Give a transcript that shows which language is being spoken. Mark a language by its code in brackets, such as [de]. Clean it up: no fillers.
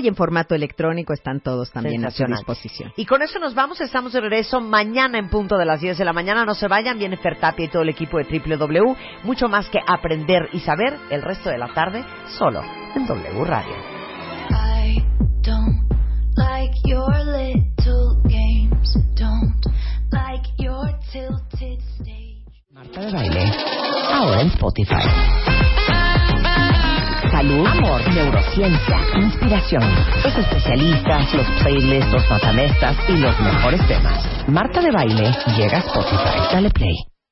[es] y en formato electrónico están todos también a su disposición. Y con eso nos vamos, estamos de regreso mañana en punto de las 10 de la mañana. No se vayan, viene Fer Tapia y todo el equipo de W, mucho más que aprender y saber el resto de la tarde solo en W Radio. [en] I don't like your little games, don't like your tilted stage. [es] Marta de Baile, ahora en Spotify. Salud, amor, neurociencia, inspiración. Los especialistas, los playlists, los matamestas y los mejores temas. Marta de Baile llega a Spotify. Dale play.